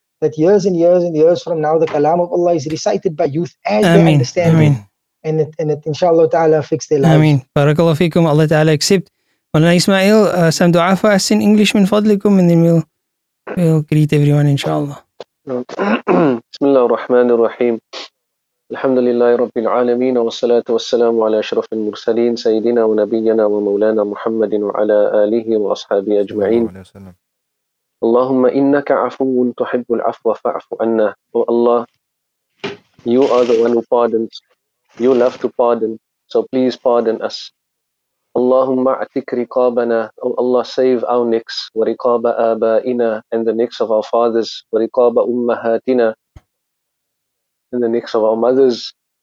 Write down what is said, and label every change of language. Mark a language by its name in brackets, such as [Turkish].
[English] That years and years and years from now, the kalam of Allah is recited by youth as they understand it. And it inshallah ta'ala affects their lives. Ameen. Barakallahu feekum. Allah ta'ala accept. Walana Ismail, some dua for us in English, min fadlikum, and then we'll greet everyone, inshallah. Bismillah ar-Rahman ar-Rahim. [Arabic] الحمد لله رب العالمين والصلاة والسلام على أشرف المرسلين سيدنا ونبينا ومولانا محمد وعلى آله وأصحابه أجمعين اللهم إنك عفو تحب العفو فاعف عنا. [English] Oh Allah, you are the one who pardons. You love to pardon, so please pardon us. [Arabic] اللهم اعتق رقابنا. [English] Oh Allah, save our necks. [Arabic] ورقاب آبائنا, [English] and the necks of our fathers. [Arabic] ورقاب أمهاتنا, [English] in the necks of our mothers.